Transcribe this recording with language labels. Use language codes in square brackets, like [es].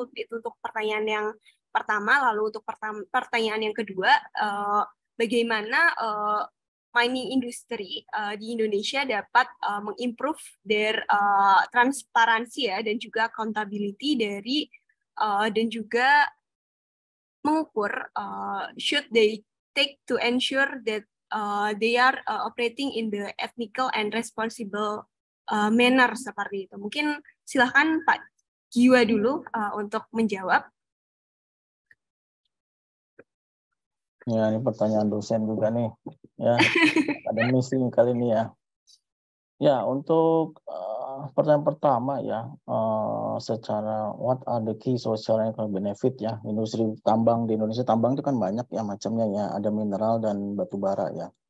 [id] Itu untuk pertanyaan yang pertama. Lalu untuk pertanyaan yang kedua, bagaimana mining industry di Indonesia dapat mengimprove [en] their [id] transparansi ya dan juga accountability dari dan juga mengukur [en] should they take to ensure that they are operating in the ethical and responsible manner [id] seperti itu. Mungkin silakan Pak Giwa dulu untuk menjawab. Ya, ini pertanyaan dosen juga nih. Ya, ada missing kali ini ya. Ya, untuk pertanyaan pertama ya, secara [en] what are the key social and economic benefit [id] ya, industri tambang di Indonesia, tambang itu kan banyak ya macamnya ya, ada mineral dan batu bara ya.